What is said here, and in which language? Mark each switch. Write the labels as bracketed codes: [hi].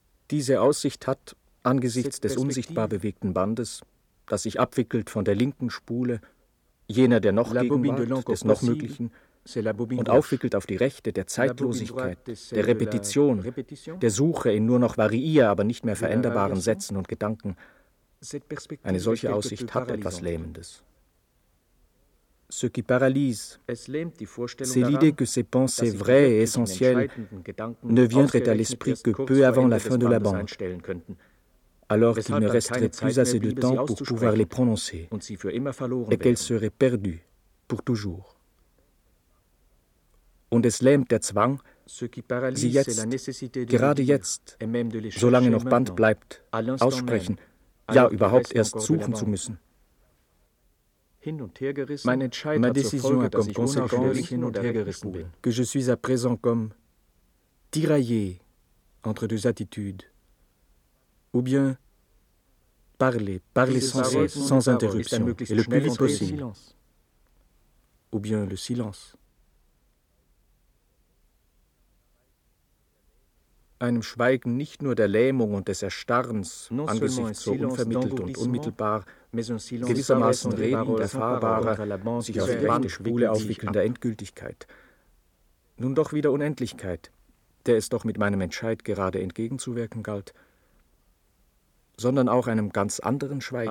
[de] Diese Aussicht hat, angesichts des unsichtbar bewegten Bandes, das sich abwickelt von der linken Spule, jener der noch Gegenwart, des noch Möglichen, und aufwickelt auf die rechte der Zeitlosigkeit, der Repetition, der Suche in nur noch variier, aber nicht mehr veränderbaren Sätzen und Gedanken, eine solche Aussicht hat etwas Lähmendes. [fr] Ce qui paralyse, c'est l'idée que ces pensées vraies et essentielles ne viendraient à l'esprit que peu avant la fin de la bande, alors qu'il ne resterait plus assez de temps pour pouvoir les prononcer et qu'elles seraient perdues pour toujours. [de] Und es lähmt der Zwang, sie jetzt, gerade jetzt, solange noch Band bleibt, aussprechen, ja, überhaupt erst suchen zu müssen. Hin und her gerissen, mein Entscheid [fr] ma décision [de] hat [fr] comme conséquence [de] hin und her gerissen bin. [fr] Que je suis à présent comme tiraillé entre deux attitudes, ou bien parler sans cesse, sans interruption, et le plus vite possible, ou bien le silence. [de] einem Schweigen nicht nur der Lähmung und des Erstarrens angesichts so unvermittelt und unmittelbar gewissermaßen Reden erfahrbarer, sich auf die rechte Spule aufwickelnder Endgültigkeit. Nun doch wieder Unendlichkeit, der es doch mit meinem Entscheid gerade entgegenzuwirken galt, sondern auch einem ganz anderen Schweigen,